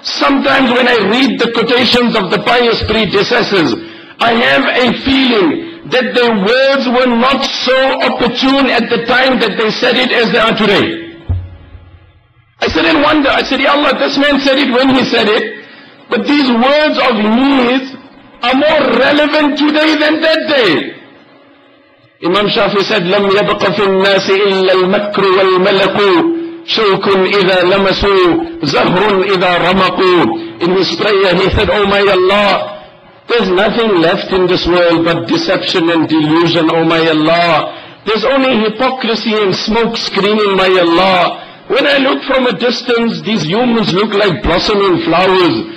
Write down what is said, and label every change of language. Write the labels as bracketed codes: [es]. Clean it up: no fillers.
[en] Sometimes when I read the quotations of the pious predecessors, I have a feeling that their words were not so opportune at the time that they said it as they are today. I said, Ya Allah, this man said it when he said it, but these words of his are more relevant today than that day. Imam Shafi said, [ar] لم يبق في الناس إلا المكر والملك شوك إذا لمسوا زهر إذا رمقوا. [en] In his prayer he said, Oh my Allah, there's nothing left in this world but deception and delusion, Oh my Allah. There's only hypocrisy and smoke screening, my Allah. When I look from a distance, these humans look like blossoming flowers.